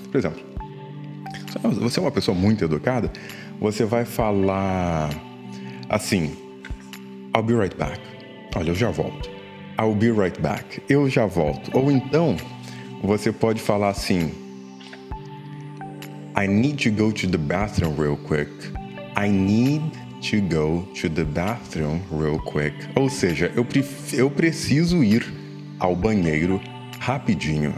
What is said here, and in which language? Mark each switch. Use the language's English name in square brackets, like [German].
[Portuguese] Por exemplo, você é uma pessoa muito educada, você vai falar assim, [English] I'll be right back. [Portuguese] Olha, eu já volto. [English] I'll be right back. [Portuguese] Eu já volto. Ou então, você pode falar assim, [English] I need to go to the bathroom real quick. I need to go to the bathroom real quick. [Portuguese] Ou seja, eu preciso ir ao banheiro rapidinho.